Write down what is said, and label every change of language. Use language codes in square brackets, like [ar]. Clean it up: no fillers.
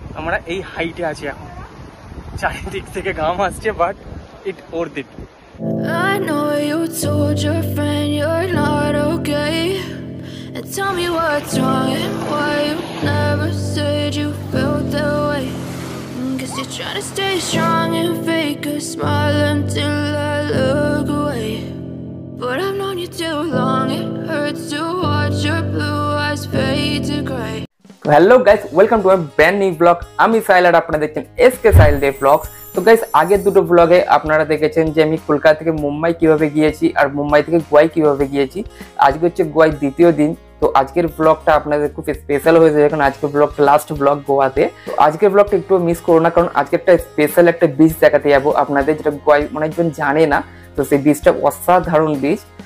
[bn] আমরা এই হাইটে আছি এখন, চারিদিক থেকে ঘাম আসছে, but it worth it. [en] I know you told your friend you're not okay, and tell me what's wrong and why you never said you felt that way. Guess you're trying to stay strong and fake a smile until I look away, but I've known you too long, it hurts to watch your blue eyes fade to gray. Hello guys, welcome to a brand new vlog. I'm Sahil and you're watching SK Sahil Day Vlogs. [bn] তো guys, আগে দুটো ব্লগে আপনারা দেখেছেন যে আমি কলকাতা থেকে মুম্বাই কীভাবে গিয়েছি আর মুম্বাই থেকে গোয়াই কীভাবে গিয়েছি। আজকে হচ্ছে গোয়ায় দ্বিতীয় দিন, তো আজকের ব্লগটা আপনাদের খুব স্পেশাল হয়ে যাবে, কারণ আজকের ব্লগটা লাস্ট ব্লগ গোয়াতে। তো আজকের ব্লগটা একটু মিস করো না, কারণ আজকে একটা স্পেশাল একটা বিচ দেখাতে যাবো আপনাদের, যেটা গোয়াই অনেকজন জানে না, তো সেই বিচটা অসাধারণ বিচ।